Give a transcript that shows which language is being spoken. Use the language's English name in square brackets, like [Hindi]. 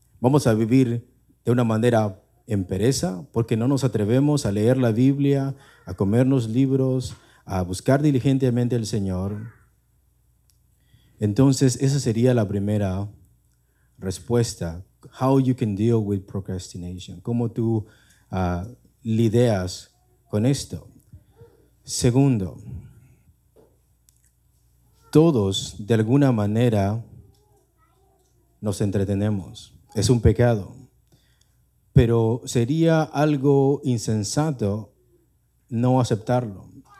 [Spanish] Vamos a vivir de una manera en pereza, porque no nos atrevemos a leer la Biblia, a comernos libros, a buscar diligentemente al Señor. Entonces, esa sería la primera respuesta. [English] How you can deal with procrastination. [Spanish] ¿Cómo tú lidias con esto? Segundo, todos de alguna manera nos entretenemos. Es un pecado. Pero sería algo insensato no aceptarlo.